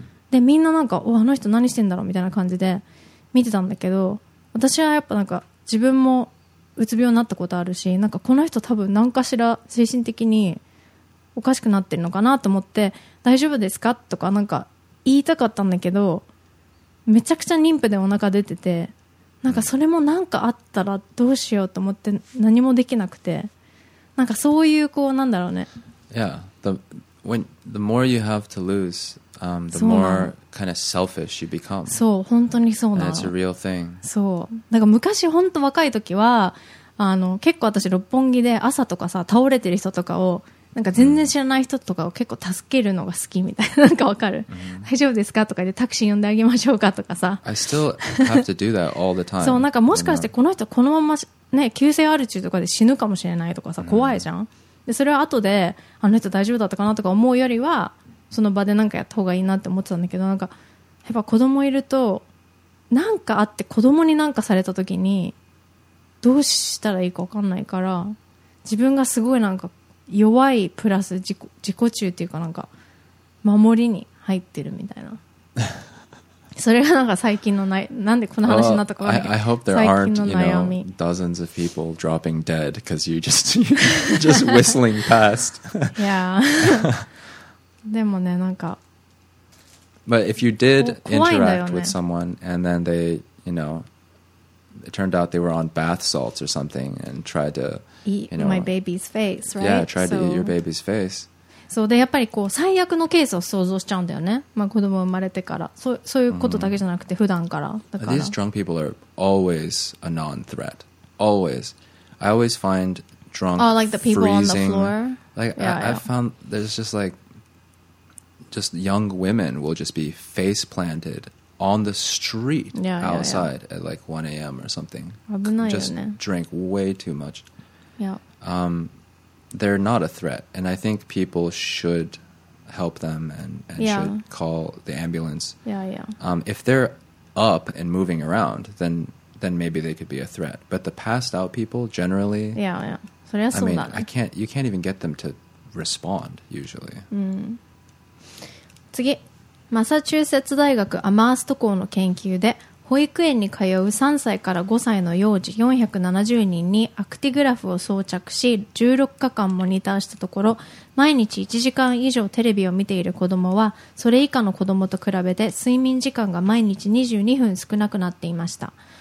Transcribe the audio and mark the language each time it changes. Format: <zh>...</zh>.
<ja>でみんななんかお、あの人何してんだろうみたいな感じで見てたんだけど、私はやっぱなんか自分もうつ病になったことあるし、なんかこの人多分何かしら精神的におかしくなってるのかなと思って、大丈夫ですかとかなんか言いたかったんだけど、めちゃくちゃ妊婦でお腹出てて、なんかそれもなんかあったらどうしようと思って何もできなくて、なんかそういうこうなんだろうね。</ja> <en>Yeah, the more you have to lose, the more kind of selfish you become.</en> <ja>そう、本当にそうなの。</ja> <en>And it's a real thing.</en> <ja>そう、なんか昔本当若い時はあの結構私六本木で朝とかさ倒れてる人とかをなんか全然知らない人とかを結構助けるのが好きみたいな、なんかわかる、大丈夫ですかとかでタクシー呼んであげましょうかとかさ。</ja> <en>I still have to do that all the time.</en> <ja>そう、なんかもしかしてこの人このままね急性アルチューとかで死ぬかもしれないとかさ、怖いじゃん。でそれは後であの人大丈夫だったかなとか思うよりはその場でなんかやった方がいいなって思ってたんだけど、なんかやっぱ子供いるとなんかあって子供になんかされた時にどうしたらいいかわかんないから、自分がすごいなんか弱いプラス自己中っていうか、なんか守りに入ってるみたいな。それがなんか最近のなんでこの話になったか、</ja> <en>I hope there aren't, you know, dozens of people dropping dead because you just whistling past. Yeah.</en> <ja>でもね、なんか。</ja> <en>But if you did interact with someone and then they, you know, it turned out they were on bath salts or something and tried to eat, you know, my baby's face, right? Yeah, tried to eat your baby's face.</en> <ja>そうで、やっぱりこう最悪のケースを想像しちゃうんだよね、まあ、子供生まれてから そういうことだけじゃなくて普段か ら、 だから</ja> <en>These drunk people are always a non-threat. Always. I always find drunk freezing. Oh, like the people freezing on the floor? Like, yeah, I found there's just like just young women will just be face planted on the street outside at like 1 a.m. or something.</en> <ja>危ないよね。</ja> <en>Just drink way too much. Yeah. They're not a threat, and I think people should help them and should call the ambulance. Yeah, yeah. If they're up and moving around, then maybe they could be a threat. But the passed out people, generally, you can't even get them to respond, usually.</en> <ja>Mm. 次、マサチューセッツ大学アマースト校の研究で、保育園に通う3歳から5歳の幼児470人にアクティグラフを装着し16日間モニターしたところ、毎日1時間以上テレビを見ている子どもはそれ以下の子どもと比べて睡眠時間が毎日22分少なくなっていました。</ja>